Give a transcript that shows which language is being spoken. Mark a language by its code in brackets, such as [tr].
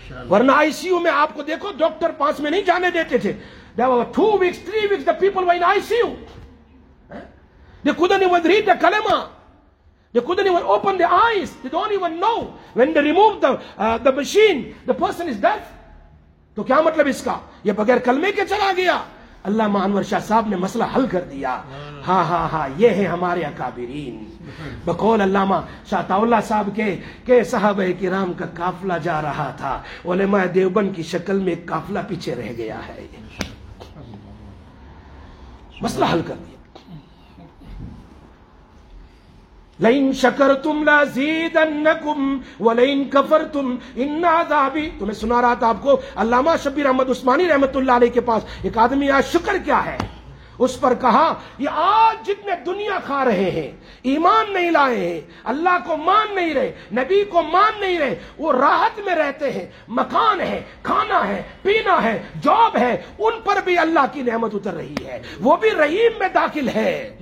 [ur] ورنہ آئی سی یو میں آپ کو دیکھو ڈاکٹر پانچ میں نہیں جانے دیتے تھے، [en] They were two weeks three weeks the people were in I C U, they couldn't even read the kalma, they couldn't even open the eyes, they don't even know when they remove the machine the person is death. [ur] تو کیا مطلب اس کا؟ یہ بغیر کلمے کے چلا گیا. اللہ انور شاہ صاحب نے مسئلہ حل کر دیا. ہاں ہاں ہاں، یہ ہے ہمارے اکابرین. بقول علامہ شاہ طاء اللہ صاحب کے کہ صحابہ کرام کا قافلہ جا رہا تھا، علماء دیوبند کی شکل میں ایک قافلہ پیچھے رہ گیا ہے. مسئلہ حل کر دیا. [ar] لئن شکرتم لازیدنکم ولئن کفرتم ان عذابی. [ur] تو میں سنا رہا تھا آپ کو علامہ شبیر احمد عثمانی رحمت اللہ علیہ کے پاس ایک آدمی آیا، شکر کیا ہے؟ اس پر کہا یہ آج جتنے دنیا کھا رہے ہیں، ایمان نہیں لائے ہیں، اللہ کو مان نہیں رہے، نبی کو مان نہیں رہے، وہ راحت میں رہتے ہیں، مکان ہے، کھانا ہے، پینا ہے، جاب ہے، ان پر بھی اللہ کی نعمت اتر رہی ہے، وہ بھی رحیم میں داخل ہے.